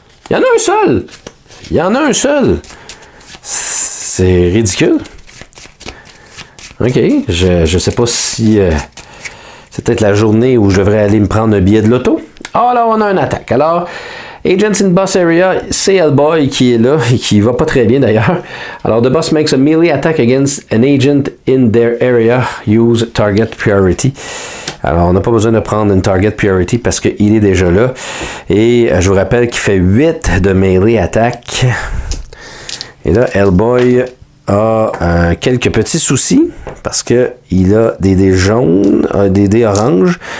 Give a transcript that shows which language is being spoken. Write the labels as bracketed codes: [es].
[fr] Il y en a un seul! Il y en a un seul! C'est ridicule. Ok, je sais pas si c'est peut-être la journée où je devrais aller me prendre un billet de loto. Ah, là, on a une attaque. Alors, Agents in Boss Area, c'est Hellboy qui est là et qui va pas très bien d'ailleurs. [en] Alors, the boss makes a melee attack against an agent in their area. Use target priority. [fr] Alors, on n'a pas besoin de prendre une target priority parce qu'il est déjà là. Et je vous rappelle qu'il fait 8 de melee attack. Et là, Hellboy a quelques petits soucis parce que il a des dés jaunes, des dés oranges.